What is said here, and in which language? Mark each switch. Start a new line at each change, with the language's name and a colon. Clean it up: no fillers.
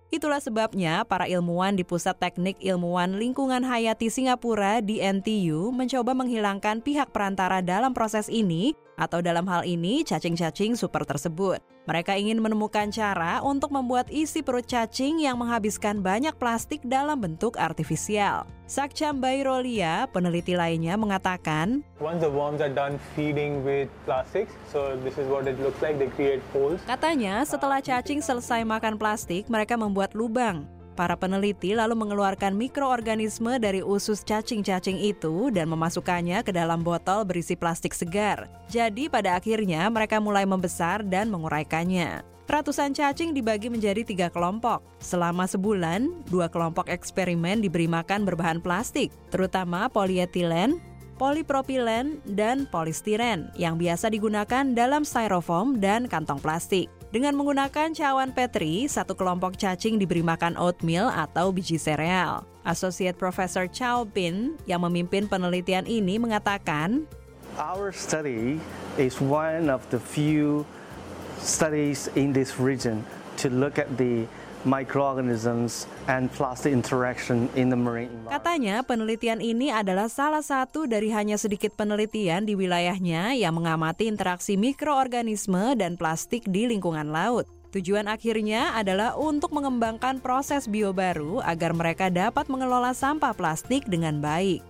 Indonesian: Itulah sebabnya para ilmuwan di Pusat Teknik Ilmuwan Lingkungan Hayati Singapura di NTU mencoba menghilangkan pihak perantara dalam proses ini atau dalam hal ini cacing-cacing super tersebut. Mereka ingin menemukan cara untuk membuat isi perut cacing yang menghabiskan banyak plastik dalam bentuk artifisial. Sakcham Bairolia, peneliti lainnya, mengatakan,
English: "Once the worms are done feeding with plastics, so this is what it looks like. They create holes."
Indonesian: Katanya, setelah cacing selesai makan plastik, mereka membuat lubang. Para peneliti lalu mengeluarkan mikroorganisme dari usus cacing-cacing itu dan memasukkannya ke dalam botol berisi plastik segar. Jadi pada akhirnya mereka mulai membesar dan menguraikannya. Ratusan cacing dibagi menjadi 3 kelompok. Selama sebulan, 2 kelompok eksperimen diberi makan berbahan plastik, terutama polietilen, polipropilen, dan polistiren yang biasa digunakan dalam styrofoam dan kantong plastik. Dengan menggunakan cawan petri, satu kelompok cacing diberi makan oatmeal atau biji sereal. Associate Professor Chao Bin, yang memimpin penelitian ini, mengatakan,
English: "Our study is one of the few studies in this region to look at the microorganisms and plastic interaction in the marine environment."
Indonesian: Katanya, penelitian ini adalah salah satu dari hanya sedikit penelitian di wilayahnya yang mengamati interaksi mikroorganisme dan plastik di lingkungan laut. Tujuan akhirnya adalah untuk mengembangkan proses bio baru agar mereka dapat mengelola sampah plastik dengan baik.